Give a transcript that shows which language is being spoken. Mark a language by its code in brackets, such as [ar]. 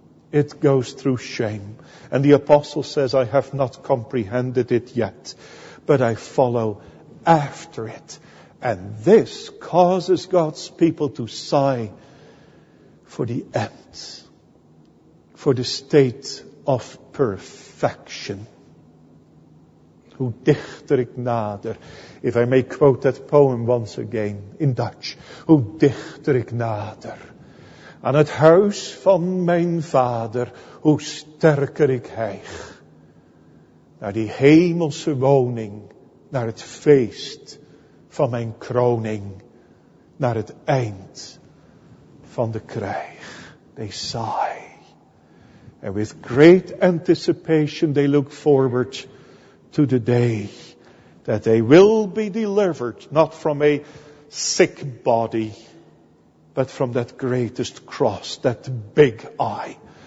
[en] It goes through shame. And the apostle says, I have not comprehended it yet, but I follow after it. And this causes God's people to sigh for the end, for the state of perfection. [nl] Hoe dichter ik nader, [en] if I may quote that poem once again in Dutch, [nl] hoe dichter ik nader aan het huis van mijn vader, hoe sterker ik hijg naar die hemelse woning, naar het feest van mijn kroning, naar het eind van de krijg. [en] They sigh, and with great anticipation they look forward to the day that they will be delivered, not from a sick body, but from that greatest cross, that big I.